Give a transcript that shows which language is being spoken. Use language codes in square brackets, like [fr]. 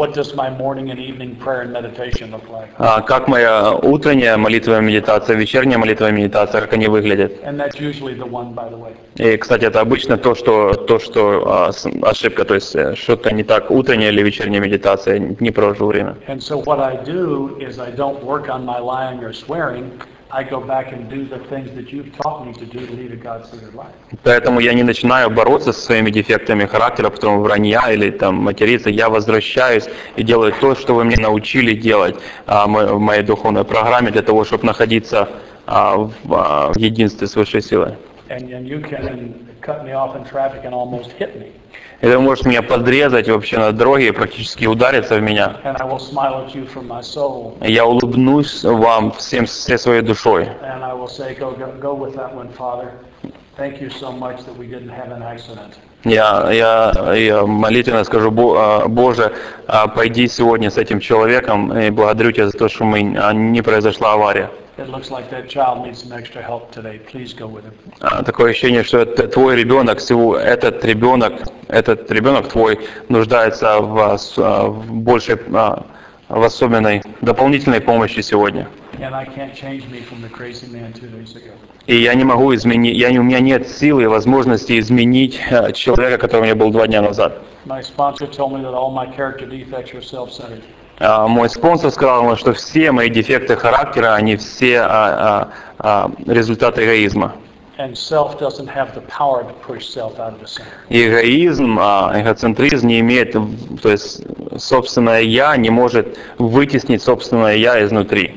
[en] What does my morning and evening prayer and meditation look like? [ru] Как моя утренняя молитва и медитация, вечерняя молитва и медитация, как они выглядят? [en] And that's usually the one, by the way. [ru] И, кстати, это обычно то, что ошибка, то есть что-то не так, утренняя или вечерняя медитация, не провожу время. [en] And so what I do is I don't work on my lying or swearing. I go back and do the things that you've taught me to do to lead a God-centered life. [ru] Поэтому я не начинаю бороться со своими дефектами характера, потом вранья или там материться. Я возвращаюсь и делаю то, что вы мне научили делать в моей духовной программе для того, чтобы находиться в единстве с высшей силой. [en] And you can cut me off in traffic and almost hit me. [ru] И ты можешь меня подрезать вообще на дороге и практически удариться в меня. [en] I will smile at you from my soul. [ru] Я улыбнусь вам всей своей душой. [en] And I will say, go with that one, Father. Thank you so much that we didn't have an accident. [ru] Я молитвенно скажу: Боже, пойди сегодня с этим человеком и благодарю тебя за то, что не произошла авария. [en] It looks like that child needs some extra help today. Please go with him. [ru] Такое ощущение, что твой ребенок, этот ребенок твой нуждается в особенной дополнительной помощи сегодня. [en] And I can't change me from the crazy man 2 days ago. [ru] И я не могу изменить, у меня нет силы и возможности изменить человека, который у меня был 2 дня назад. [en] My sponsor told me that all my character defects are self-centered. [ru] Мой спонсор сказал мне, что все мои дефекты характера, они все результат эгоизма. Эгоизм, эгоцентризм не имеет, то есть собственное «я» не может вытеснить собственное «я» изнутри.